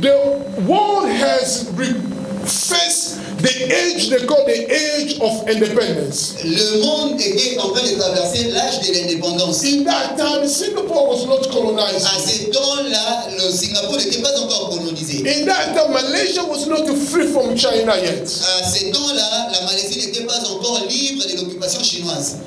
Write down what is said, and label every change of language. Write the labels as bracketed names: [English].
[English] The world has faced the age they call the age of independence. [French] Le monde était en train de traverser l'âge de l'indépendance. [English] In that time, Singapore was not colonized. [French] À ce temps-là, le Singapour n'était pas encore colonisé. [English] In that time, Malaysia was not free from China yet. [French] À ce temps-là, la Malaisie n'était pas encore libre de l'occupation chinoise.